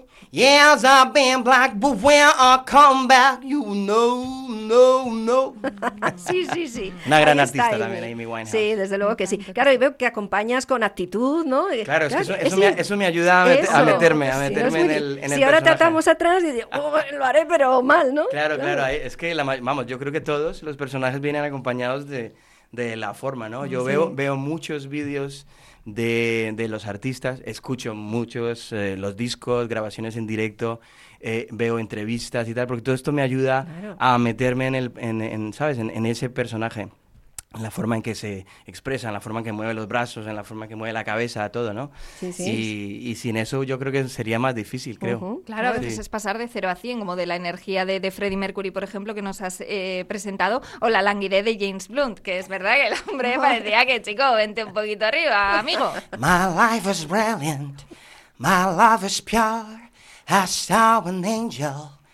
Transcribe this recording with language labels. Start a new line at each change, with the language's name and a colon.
English: Yes, I've been black, but when I come back, you no.
Spanish: Sí. Una gran artista también, Amy Winehouse. Sí, desde luego que sí. Claro, y veo que acompañas con actitud, ¿no? Claro, eso me ayuda a meterme en el Si ahora tratamos atrás, y digo, lo haré, pero mal, ¿no? Claro. Es que, vamos, yo creo que todos los personajes vienen acompañados de la forma, ¿no? Yo veo muchos vídeos... De los artistas, escucho muchos los discos, grabaciones en directo, veo entrevistas y tal, porque todo esto me ayuda a meterme en ese personaje, en la forma en que se expresa, en la forma en que mueve los brazos, en la forma en que mueve la cabeza, todo, ¿no? Sí. Y sin eso yo creo que sería más difícil, creo. Claro, a veces es pasar de 0 a 100, como de la energía de Freddie Mercury, por ejemplo, que nos has presentado, o la languidez de James Blunt, que es verdad que el hombre parecía que, chico, vente un poquito arriba, amigo.
English: My life is brilliant, my love is pure, I saw an angel.